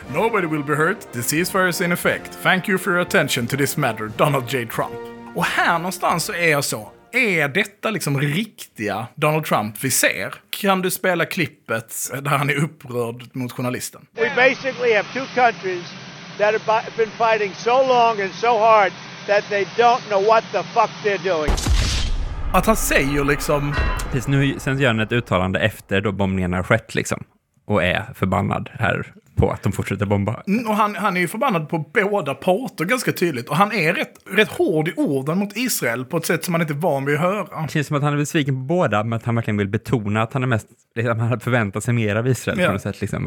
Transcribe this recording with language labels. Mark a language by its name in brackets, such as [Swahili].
[English] Nobody will be hurt, the ceasefire is in effect. Thank you for your attention to this matter, Donald J. Trump. [Swedish] Och här någonstans så är jag så. Är detta liksom riktiga Donald Trump vi ser? Kan du spela klippet där han är upprörd mot journalisten? [English] We basically have 2 countries that have been fighting so long and so hard that they don't know what the fuck they're doing. [Swedish] Att han säger liksom... Sen gör han ett uttalande efter då bombningen har skett liksom. Och är förbannad här på att de fortsätter bomba. Och han är ju förbannad på båda parter ganska tydligt. Och han är rätt hård i orden mot Israel på ett sätt som man inte van vid att höra. Det känns som att han är besviken på båda, men att han verkligen vill betona att han är mest... Liksom, han hade förväntat sig mer av Israel på något sätt. Liksom.